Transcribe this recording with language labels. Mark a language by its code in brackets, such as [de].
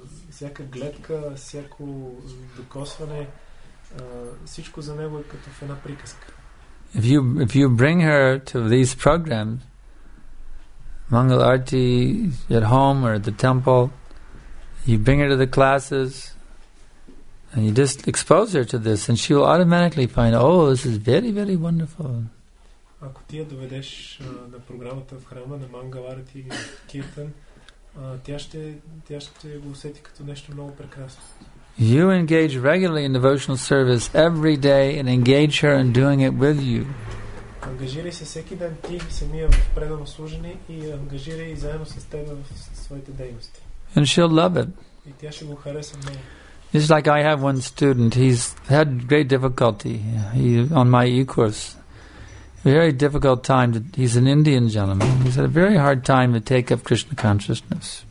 [bg] Всяко гледка, всяко докосване, всичко за него е като в една приказка. [en] If you bring her to these programs, Mangal Arati at home or at the temple, you bring her to the classes, and you just expose her to this, and she will automatically find, oh, this is very, very wonderful. [bg] Ако ти я доведеш на програмата в храма на Мангал Арати и Киртан, тя ще го усети като нещо много прекрасно. [en] You engage regularly in devotional service every day and engage her in doing it with you. [bg] Ангажирай се всеки ден ти самия в предано служене и ангажирай и заедно с теб в своите дейности. [en] And she'll love it. [bg] И тя ще го хареса много. [en] It's like I have one student. He's had great difficulty on my e-course. Very difficult time. He's an Indian gentleman. He's had a very hard time to take up Krishna consciousness.